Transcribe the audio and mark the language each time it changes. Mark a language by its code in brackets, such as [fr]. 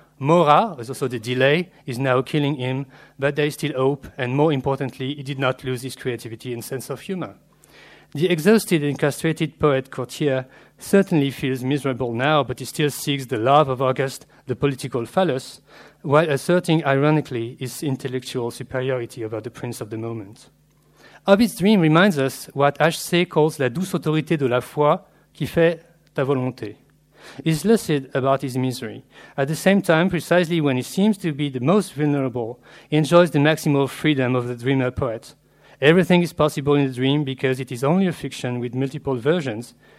[en] Mora, is also the delay, is now killing him, but there is still hope, and more importantly, he did not lose his creativity and sense of humor. The exhausted and castrated poet courtier certainly feels miserable now, but he still seeks the love of August, the political phallus, while asserting ironically his intellectual superiority over the prince of the moment. Ovid's dream reminds us what H.C. calls [fr] la douce autorité de la foi qui fait ta volonté. [en] He's lucid about his misery. At the same time, precisely when he seems to be the most vulnerable, he enjoys the maximal freedom of the dreamer poet. Everything is possible in the dream because it is only a fiction with multiple versions.